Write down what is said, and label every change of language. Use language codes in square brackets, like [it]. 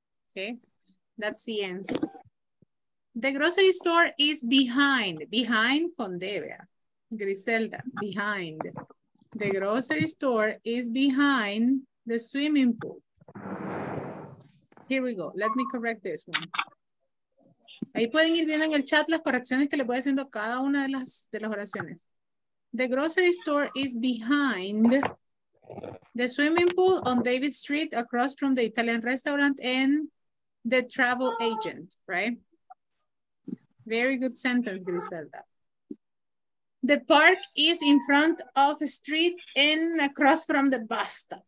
[en] Okay, that's the answer. The grocery store is behind con Devia, Griselda, behind. The grocery store is behind the swimming pool. Here we go, let me correct this one. [es] Ahí pueden ir viendo en el chat las correcciones que le voy haciendo a cada una de las oraciones. [en] The grocery store is behind the swimming pool on David Street across from the Italian restaurant and the travel agent, right? Very good sentence, Griselda. The park is in front of the street and across from the bus stop.